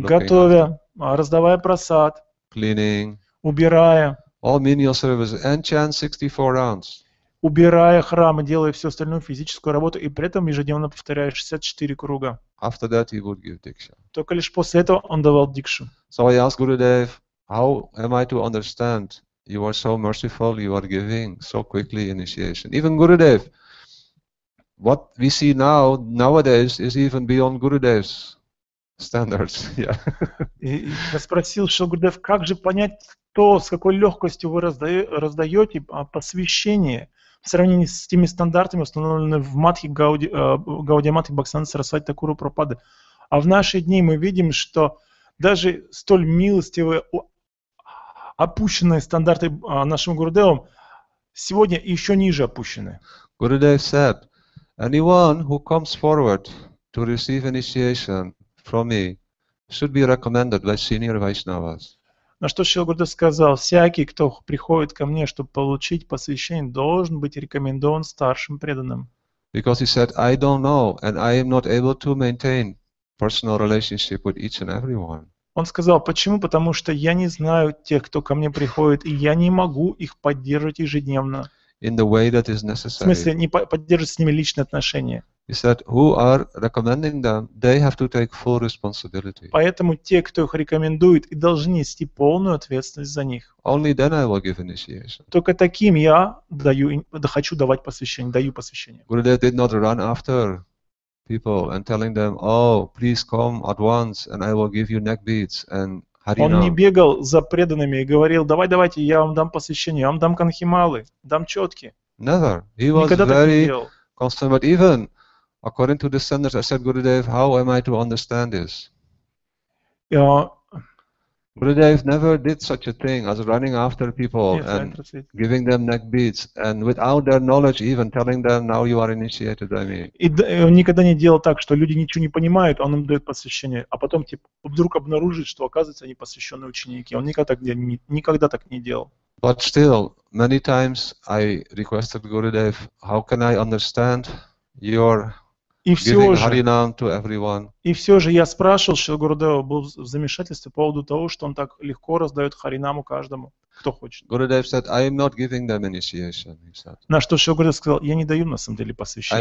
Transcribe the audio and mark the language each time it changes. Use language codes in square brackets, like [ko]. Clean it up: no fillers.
[ru] Готовя, раздавая прасад. [en] Cleaning. [ru] Убирая. [en] All menial services and chant 64 rounds. [ru] Убирая храм и делая всю остальную физическую работу, и при этом ежедневно повторяя 64 круга. [en] After that he would give diksha. [ru] Только лишь после этого он давал дикшу. [en] So I asked Gurudev, how am I to understand? You are so merciful, you are giving so quickly initiation. Even Gurudev, what we see now, nowadays, is even beyond Gurudev's standards. Yeah. [ru] Я спросил Шрилу Гурудев, как же понять то, с какой легкостью вы раздаете посвящение в сравнении с теми стандартами, установленными в Матхе Гаудия Матхе Бхактисиддханта Сарасвати Такура Прабхупады. А в наши дни мы видим, что даже столь милостивые, опущенные стандарты нашим Гурудевам сегодня еще ниже опущены. [en] Gurudev said, anyone who comes forward to receive initiation from me should be recommended by senior Vaishnavas. [ru] На что Шрила Гурудев сказал, всякий, кто приходит ко мне, чтобы получить посвящение, должен быть рекомендован старшим преданным. [en] Because he said, I don't know and I am not able to maintain personal relationship with each and everyone. [ru] Он сказал, почему? Потому что я не знаю тех, кто ко мне приходит, и я не могу их поддерживать ежедневно. [en] In the way that is necessary. [ru] В смысле, не поддерживать с ними личные отношения. [en] He said, who are recommending them, they have to take full responsibility. [ru] Поэтому те, кто их рекомендует, и должны нести полную ответственность за них. [en] Only then I will give initiation. [ru] Только таким я хочу давать посвящение, даю посвящение. [en] Gurudev did not run after people and telling them, oh, please come at once and I will give you neck beads and harinam. [ru] Он не бегал за преданными и говорил, давайте, я вам дам посвящение, я вам дам канхималы, дам четки. [en] Never. He was very concerned, but even According to the standards, I said, Gurudev, how am I to understand this? Gurudev never did such a thing as running after people and giving them neck beats and without their knowledge even telling them, now you are initiated by me. [ru] И он никогда не делал так, что люди ничего не понимают, он им дает посвящение, а потом типа вдруг обнаружит, что оказывается они посвященные ученики. Он никогда так не делал. [en] But still, many times I requested Gurudev, how can I understand your... [ru] И все же я спрашивал, что Гурудева был в замешательстве по поводу того, что он так легко раздает харинаму каждому, кто хочет. [en] Gurudev said, I am not giving them initiation. [ru] На что Шри Гурудев сказал, я не даю на самом деле посвящения.